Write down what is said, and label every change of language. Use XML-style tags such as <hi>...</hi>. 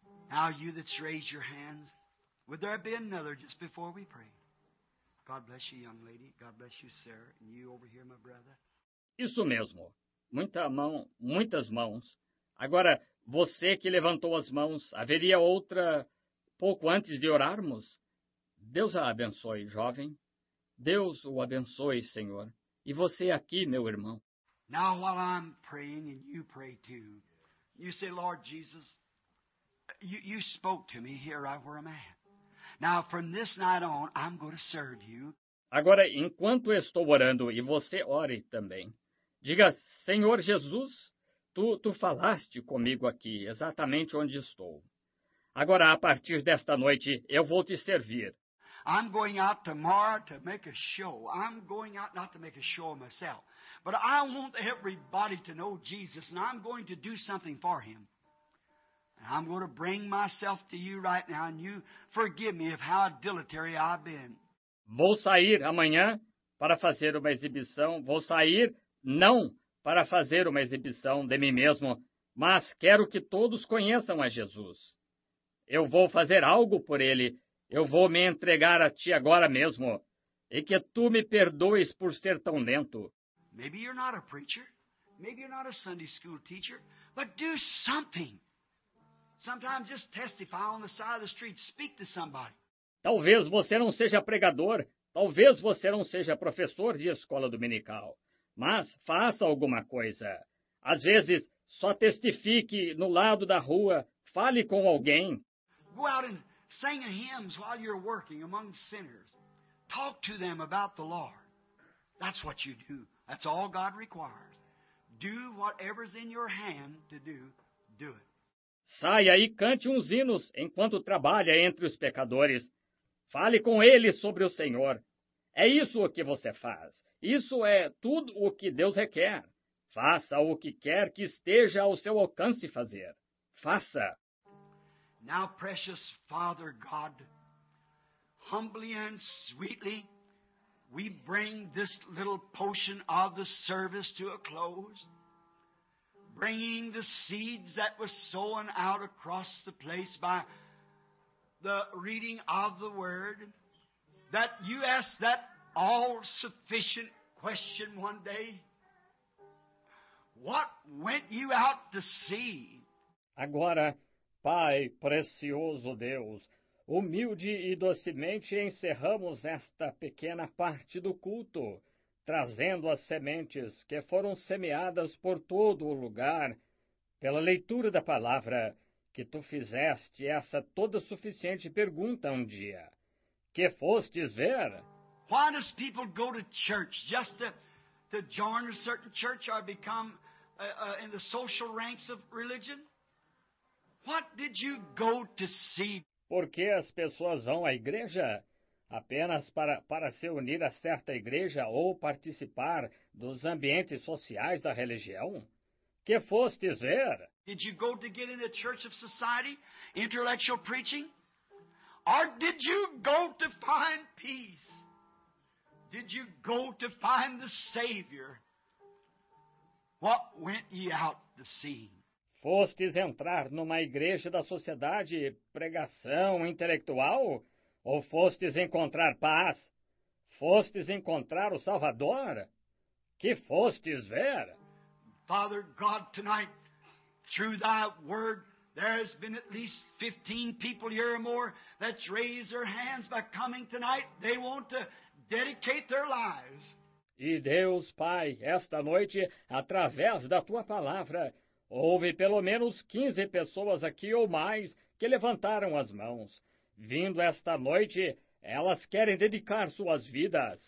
<en>Now you that's raised your hands, would there be another just before we pray? God bless you, young lady. God bless you, sir. And you over here, my brother.</en> <pt>Isso mesmo. Muitas mãos. Agora, você que levantou as mãos, haveria outra pouco antes de orarmos? Deus a abençoe, jovem. Deus o abençoe, Senhor. E você aqui, meu irmão.</pt> <en>Now, while I'm praying and you pray too, you say, Lord Jesus, you spoke to me here right where I'm at. Now, from this night on, I'm going to serve you.</en> <pt>Agora, enquanto estou orando e você ore também, diga, Senhor Jesus, tu falaste comigo aqui, exatamente onde estou. Agora, a partir desta noite, eu vou te servir.</pt> <en>I'm going out tomorrow to make a show. I'm going out not to make a show of myself, but I want everybody to know Jesus, and I'm going to do something for him. And I'm going to bring myself to you right now, and you forgive me of how dilatory I've been.</en> <pt>Vou sair amanhã para fazer uma exibição. Vou sair... Não para fazer uma exibição de mim mesmo, mas quero que todos conheçam a Jesus. Eu vou fazer algo por ele. Eu vou me entregar a ti agora mesmo. E que tu me perdoes por ser tão lento.</pt> <en>Maybe you're not a preacher. Maybe you're not a Sunday school teacher. But do something. Sometimes just testify on the side of the street. Speak to somebody.</en> <pt>Talvez você não seja pregador. Talvez você não seja professor de escola dominical. Mas faça alguma coisa. Às vezes, só testifique no lado da rua. Fale com alguém.</pt> <en>Go out and sing hymns while you're working among sinners. Talk to them about the Lord. That's what you do. That's all God requires. Do whatever's in your hand to do, do it.</en> <pt>Saia e cante uns hinos enquanto trabalha entre os pecadores. Fale com eles sobre o Senhor. É isso o que você faz. Isso é tudo o que Deus requer. Faça o que quer que esteja ao seu alcance fazer. Faça.</pt> <en>Now, precious Father God, humbly and sweetly, we bring this little portion of the service to a close, bringing the seeds that were sown out across the place by the reading of the Word, that you asked that all-sufficient question one day. What went you out to see?</en> <pt>Agora, Pai, precioso Deus, humilde e docemente encerramos esta pequena parte do culto, trazendo as sementes que foram semeadas por todo o lugar, pela leitura da palavra, que tu fizeste essa toda suficiente pergunta um dia. Que fostes ver?</pt> <en>Why does people go to church just to join a certain church or become in the social ranks of religion? What did you go to see?</en> <pt>Por que as pessoas vão à igreja? Apenas para se unir a certa igreja ou participar dos ambientes sociais da religião? Que fostes ver?</pt> <en>Did you go to get in the church of society, intellectual preaching? Or did you go to find peace? Did you go to find the Savior? What went ye out to see?</en> <pt>Fostes entrar numa igreja da sociedade, pregação intelectual? Ou fostes encontrar paz? Fostes encontrar o Salvador? Que fostes ver?</pt> <en>Father God, tonight, through thy word, there has been at least 15 people here or more that's raised their hands by coming tonight. They want to dedicate their lives.</en> <pt>E Deus, Pai, esta noite, através da tua palavra, houve pelo menos 15 pessoas aqui ou mais que levantaram as mãos. Vindo esta noite, elas querem dedicar suas vidas.</pt>